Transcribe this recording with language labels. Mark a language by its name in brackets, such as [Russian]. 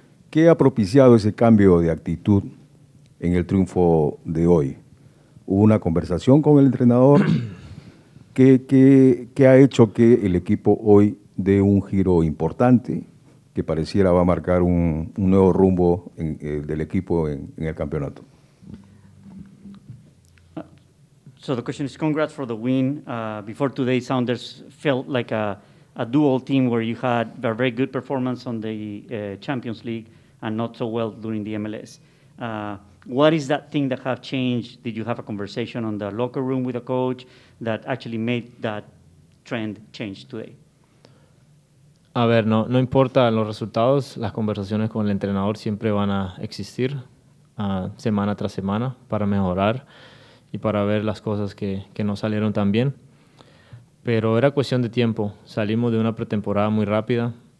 [Spanish] ¿Qué ha propiciado ese cambio de actitud en el triunfo de hoy? ¿Hubo una conversación con el entrenador? ¿Qué ha hecho que el equipo hoy dé un giro importante que pareciera va a marcar un nuevo rumbo del equipo en el campeonato? [English] So the question is congrats for the win. Before today, Sounders felt like a dual team where you had a very good performance on the Champions League and not so well during the MLS. What is that thing that have changed? Did you have a conversation on the locker room with a coach that actually made that trend change today? [Spanish] A ver, no importa los resultados, las conversaciones con el entrenador siempre van a existir semana tras semana para mejorar y para ver las cosas que no salieron tan bien. Pero era cuestión de tiempo. Salimos de una pretemporada muy rápida.